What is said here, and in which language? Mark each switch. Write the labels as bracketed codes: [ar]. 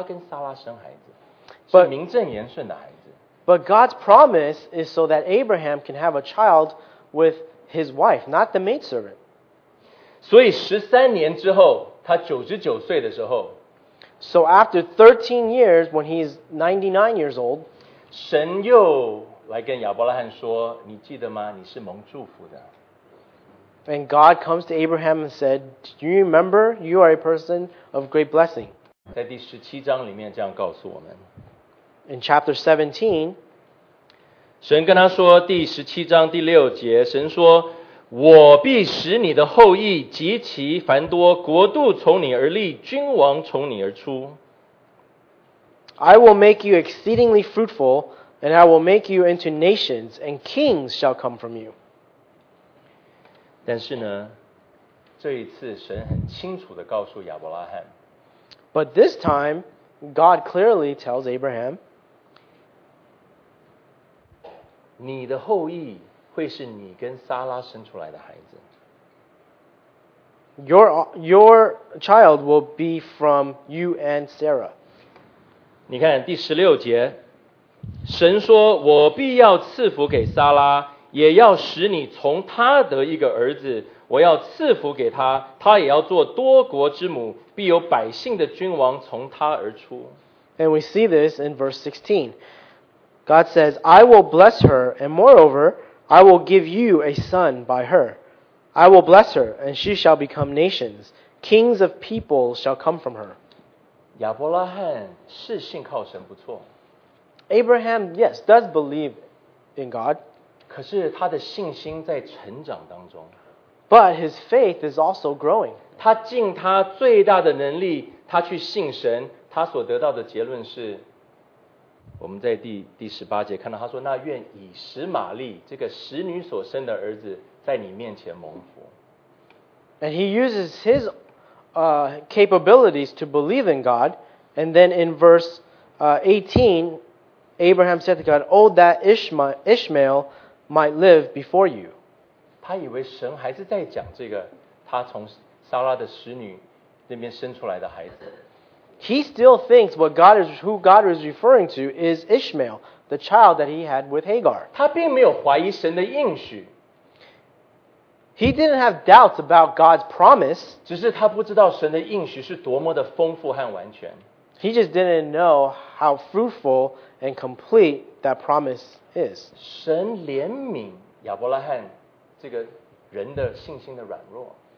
[zh] 神的应许不是要让他跟使女生孩子,是要他跟撒拉生孩子,是名正言顺的孩子。 [en] But God's promise is so that Abraham can have a child with his wife, not the maidservant. [zh] 所以13年之后,他99岁的时候 [en] So after 13 years, when he's 99 years old, [zh] 神又来跟亚伯拉罕说，你记得吗？你是蒙祝福的。 [en] And God comes to Abraham and said, Do you remember you are a person of great blessing? [zh] 在第十七章里面这样告诉我们。 [en] In chapter 17, [zh] 神跟他说，第十七章第六节，神说，我必使你的后裔极其繁多，国度从你而立，君王从你而出。 [en] I will make you exceedingly fruitful, and I will make you into nations, and kings shall come from you. [zh] 但是呢，这一次神很清楚地告诉亚伯拉罕。 [en] But this time, God clearly tells Abraham, [zh] 你的后裔会是你跟撒拉生出来的孩子。 [en] Your child will be from you and Sarah. [zh] 你看第十六节，神说，我必要赐福给撒拉，也要使你从他得一个儿子，我要赐福给他，他也要做多国之母，必有百姓的君王从他而出。 [en] And we see this in verse 16. God says, I will bless her, and moreover, I will give you a son by her. I will bless her, and she shall become nations. Kings of people shall come from her. [zh] 亚伯拉罕是信靠神不错。 [en] Abraham, yes, does believe in God. [zh] 可是他的信心在成长当中。 [en] But his faith is also growing. [zh] 他尽他最大的能力，他去信神，他所得到的结论是，我们在第十八节看到他说，那愿以实玛利这个使女所生的儿子在你面前蒙福。 [en] And he uses his capabilities to believe in God. And then in verse 18, Abraham said to God, Oh, that Ishmael might live before you. [zh] 他以为神还是在讲这个他从撒拉的使女那边生出来的孩子。 [en] He still thinks who God is referring to is Ishmael, the child that he had with Hagar. [zh] 他并没有怀疑神的应许。 [en] He didn't have doubts about God's promise. [zh] 只是他不知道神的应许是多么的丰富和完全。 [en] He just didn't know how fruitful and complete that promise is. [zh] 神怜悯亚伯拉罕这个人的信心的软弱。